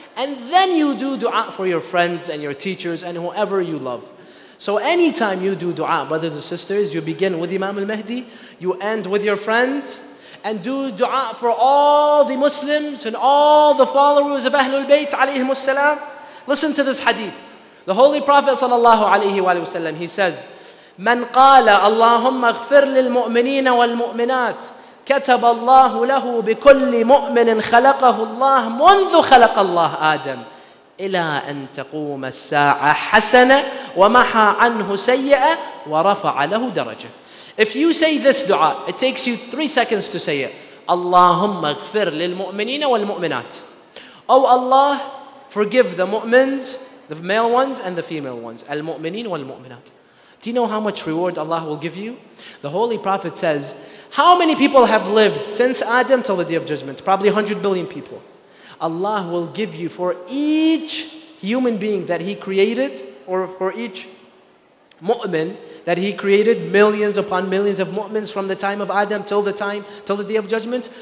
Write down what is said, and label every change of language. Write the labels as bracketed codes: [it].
[en] And then you do dua for your friends and your teachers and whoever you love. So anytime you do dua, brothers and sisters, you begin with Imam al-Mahdi, you end with your friends, and do dua for all the Muslims and all the followers of Ahlul Bayt alayhi wasalam. Listen to this hadith. The Holy Prophet sallallahu alayhi wa sallam, he says, [ar] من قال اللهم اغفر للمؤمنين والمؤمنات كتب الله له بكل مؤمن خلقه الله منذ خلق الله آدم إلى أن تقوم الساعة حسنة ومحى عنه سيئة ورفع له درجة. [en] If you say this dua, it takes you 3 seconds to say it. [ar] اللهم اغفر للمؤمنين والمؤمنات. [en] Oh Allah, forgive the mu'mins, the male ones and the female ones. [ar] المؤمنين والمؤمنات. [en] Do you know how much reward Allah will give you? The Holy Prophet says, how many people have lived since Adam till the Day of Judgment? Probably 100 billion people. Allah will give you for each human being that He created, or for each mu'min that He created, millions upon millions of mu'mins from the time of Adam till the time, till the Day of Judgment.